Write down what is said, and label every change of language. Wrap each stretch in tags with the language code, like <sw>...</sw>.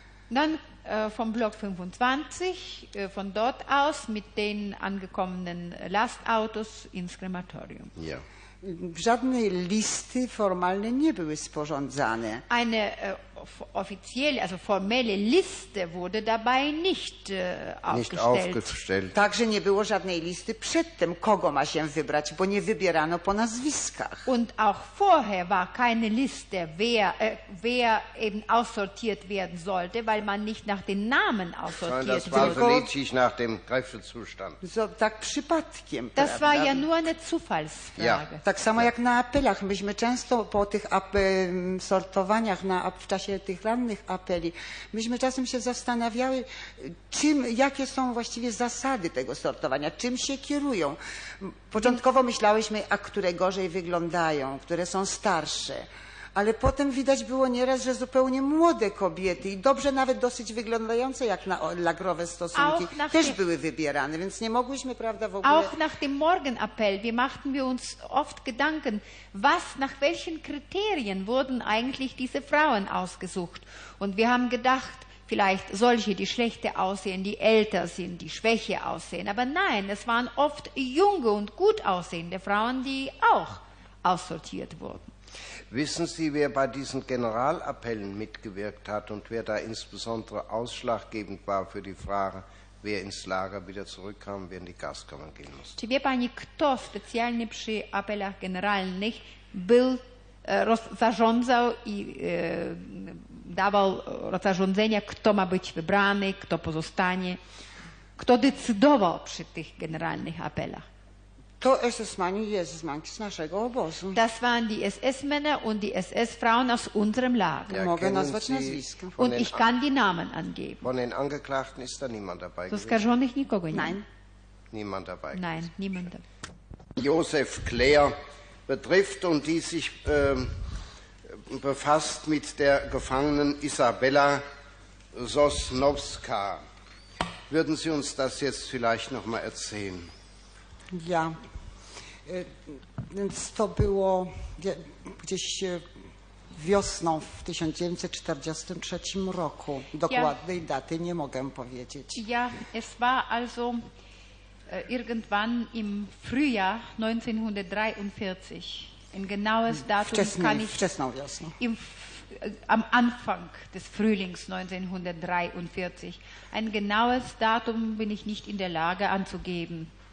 <de>Dann vom Block 25, von dort aus mit den angekommenen Lastautos ins Krematorium. Ja.</de> <pl>Żadne listy formalne nie były sporządzane.</pl> <de>Eine offizielle, also formelle Liste wurde dabei nicht aufgestellt.</de> <pl>Także nie było żadnej listy przed tym, kogo ma się wybrać, bo nie wybierano po nazwiskach.</pl> <de>Und auch vorher war keine Liste, wer eben aussortiert werden sollte, weil man nicht nach den Namen aussortiert wurde. Das war lediglich nach dem Kräftezustand.</de> <pl>So, tak przypadkiem.</pl> <de>Das war ja nur eine Zufallsfrage. Ja.</de> <pl>Tak samo jak na apelach. Myśmy często po tych sortowaniach w czasie tych rannych apeli, myśmy czasem się zastanawiały, jakie są właściwie zasady tego sortowania, czym się kierują. Początkowo myślałyśmy, a które gorzej wyglądają, które są starsze. Ale potem widać było nieraz, że zupełnie młode kobiety i dobrze nawet dosyć wyglądające jak na lagrowe stosunki też były wybierane, więc nie mogłyśmy, prawda, w ogóle...</pl> <de>Auch nach dem Morgenappell, wir machten wir uns oft Gedanken, was, nach welchen Kriterien wurden eigentlich diese Frauen ausgesucht? Und wir haben gedacht, vielleicht solche, die schlechter aussehen, die älter sind, die schwächer aussehen. Aber nein, es waren oft junge und gut aussehende Frauen, die auch aussortiert wurden. Wissen Sie, wer bei diesen Generalappellen mitgewirkt hat und wer da insbesondere ausschlaggebend war für die Frage, wer ins Lager wieder zurückkam, wer in die Gaskammern gehen musste?</de> <pl>Czy wie pani, kto specjalnie przy apelach generalnych był rozzarządzał i dawał rozporządzenia, kto ma być wybrany, kto pozostanie, kto decydował przy tych generalnych apelach?</pl> <de>To SS-Männer, die SS-Männer aus unserem Lager. Das waren die SS-Männer und die SS-Frauen aus unserem Lager. Und ich kann die Namen angeben. Von den Angeklagten ist da niemand dabei gewesen.</de> <pl>Wahrscheinlich nikogo nie.</pl> <de>Nein. Niemand dabei. Nein, niemand. Josef Claire betrifft und die sich befasst mit der Gefangenen Isabella Sosnowska. Würden Sie uns das jetzt vielleicht noch mal erzählen?</de> <pl>Ja, więc to było gdzieś wiosną w 1943 roku. Dokładnej daty nie mogę powiedzieć.</pl> <de>Ja, es war also irgendwann im Frühjahr 1943. Ein genaues Datum kann ich...</de> <pl>Wczesną wiosną.</pl> <de>Am Anfang des Frühlings 1943. Ein genaues Datum bin ich nicht in der Lage anzugeben.</de>